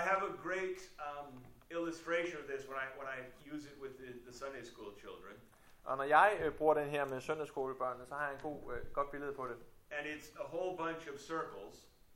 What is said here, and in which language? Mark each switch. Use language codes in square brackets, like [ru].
[en] have a great illustration of this when I use it with the Sunday school children. [da] Og når jeg bruger den her med søndagsskolebørnene, så har jeg en godt billede på det. [en] And it's a whole bunch of circles.